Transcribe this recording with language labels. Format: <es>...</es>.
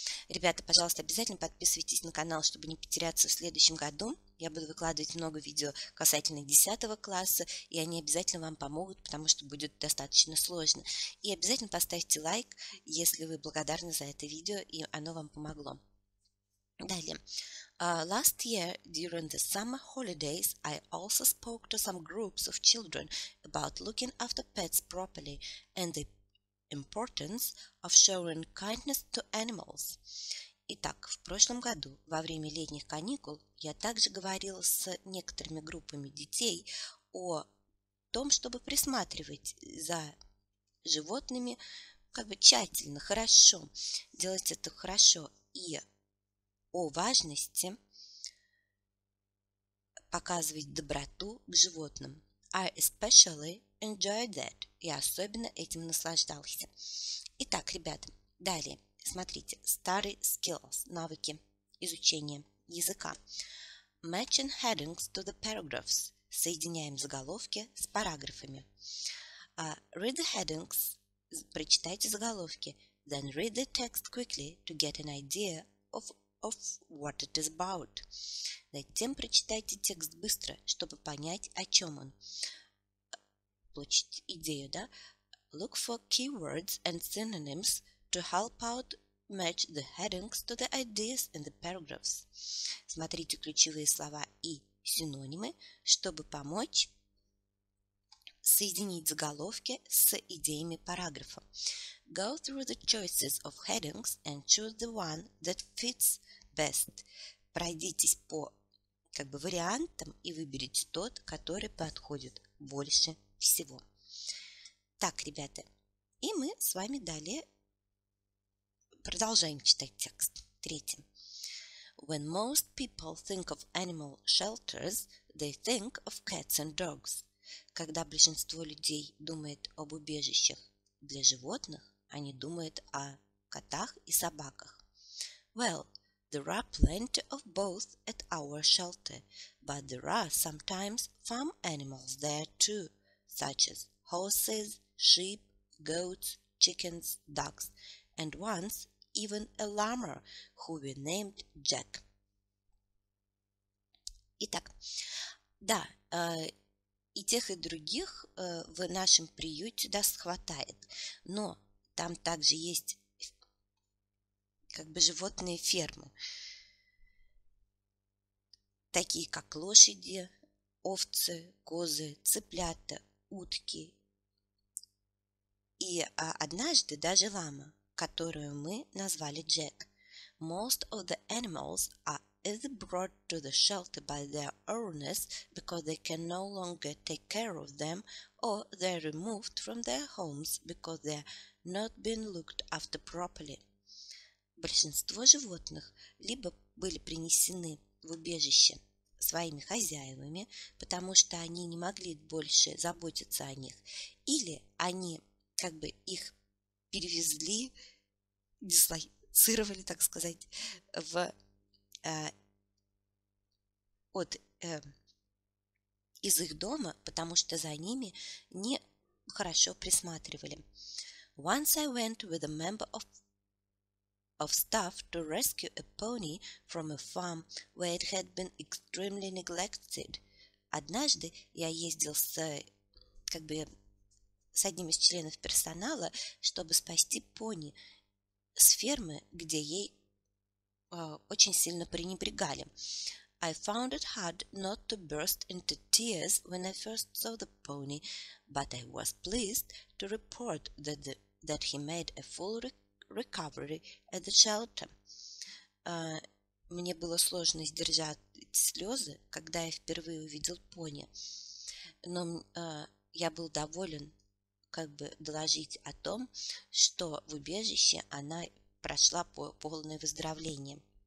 <ru>Ребята, пожалуйста, обязательно подписывайтесь на канал, чтобы не потеряться в следующем году. Я буду выкладывать много видео касательно 10 класса, и они обязательно вам помогут, потому что будет достаточно сложно. И обязательно поставьте лайк, если вы благодарны за это видео, и оно вам помогло. Далее.</ru> <en>Last year, during the summer holidays, I also spoke to some groups of children about looking after pets properly and the importance of showing kindness to animals.</en> <ru>Итак, в прошлом году, во время летних каникул, я также говорила с некоторыми группами детей о том, чтобы присматривать за животными как бы тщательно, хорошо, делать это хорошо и о важности показывать доброту к животным.</ru> <en>I especially enjoyed that.</en> <ru>Я особенно этим наслаждался. Итак, ребята, далее. Смотрите.</ru> <en>Study skills.</en> <ru>Навыки изучения языка.</ru> <en>Matching headings to the paragraphs.</en> <ru>Соединяем заголовки с параграфами.</ru> <en>Read the headings.</en> <ru>Прочитайте заголовки.</ru> <en>Then read the text quickly to get an idea of what it is about.</en> <ru>Затем прочитайте текст быстро, чтобы понять, о чем он. Получить идею, да?</ru> <en>look for keywords and synonyms to help out match the headings to the ideas in the paragraphs.</en> <ru>Смотрите ключевые слова и синонимы, чтобы помочь соединить заголовки с идеями параграфа.</ru> <en>Go through the choices of headings and choose the one that fits best.</en> <ru>Пройдитесь по вариантам и выберите тот, который подходит больше всего. Так, ребята, и мы с вами далее продолжаем читать текст. Третье.</ru> <en>When most people think of animal shelters, they think of cats and dogs.</en> <ru>Когда большинство людей думает об убежищах для животных, они думают о котах и собаках.</ru> <en>Well, there are plenty of both at our shelter, but there are sometimes farm animals there too, such as horses, sheep, goats, chickens, ducks, and once even a llama, who we named Jack.</en> <ru>Итак, да, и тех, и других в нашем приюте хватает, но там также есть животные фермы, такие как лошади, овцы, козы, цыплята, утки. И однажды даже лама, которую мы назвали Джек.</ru> <en>Most of the animals are either brought to the shelter by their owners because they can no longer take care of them, or they're removed from their homes because they're not being looked after properly.</en> <ru>Большинство животных либо были принесены в убежище своими хозяевами, потому что они не могли больше заботиться о них, или они их перевезли, дислоцировали, так сказать, в из их дома, потому что за ними не хорошо присматривали.</ru> <en>Once I went with a member of staff to rescue a pony from a farm where it had been extremely neglected.</en> <ru>Однажды я ездил с с одним из членов персонала, чтобы спасти пони с фермы, где ей очень сильно пренебрегали.</ru> <en>I found it hard not to burst into tears when I first saw the pony, but I was pleased to report that that he made a full recovery at the shelter.</en> <ru>Мне было сложно сдержать слезы, когда я впервые увидел пони, но я был доволен доложить о том, что в убежище она прошла полное выздоровление.</ru>